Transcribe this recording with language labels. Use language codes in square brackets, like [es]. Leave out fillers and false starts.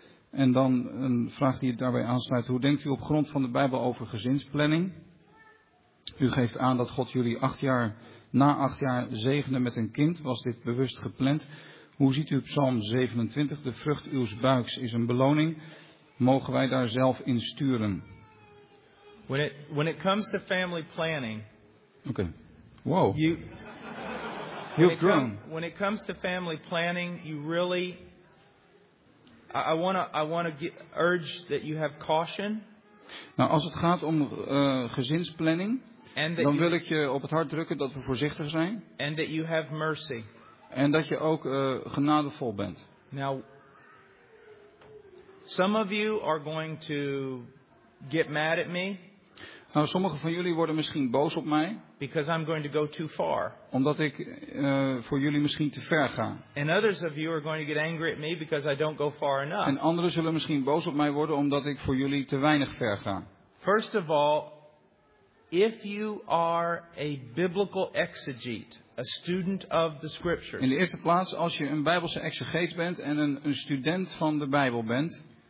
[nl] En dan een vraag die daarbij aansluit. Hoe denkt u op grond van de Bijbel over gezinsplanning? U geeft aan dat God jullie acht jaar, na acht jaar zegende met een kind. Was dit bewust gepland? Hoe ziet u Psalm 27? De vrucht uw buiks is een beloning. Mogen wij daar zelf in sturen? [en] When it comes to family planning. Okay. Wow. You've grown. When it comes to family planning, you really. I want to urge that you have caution. [nl] Nou, als het gaat om gezinsplanning, dan wil ik je op het hart drukken dat we voorzichtig zijn. [en] And that you have mercy. [nl] En dat je ook genadevol bent. [en] Now, some of you are going to get mad at me. [nl] Nou, sommige van jullie worden misschien boos op mij. [en] Because I'm going to go too far. [nl] Omdat ik voor jullie misschien te ver ga. [en] And others of you are going to get angry at me because I don't go far enough. [nl] En anderen zullen misschien boos op mij worden omdat ik voor jullie te weinig ver ga. [en] First of all, if you are a biblical exegete, a student of the scriptures. [nl] In de eerste plaats, als je een Bijbelse exegeet bent en een student van de Bijbel bent.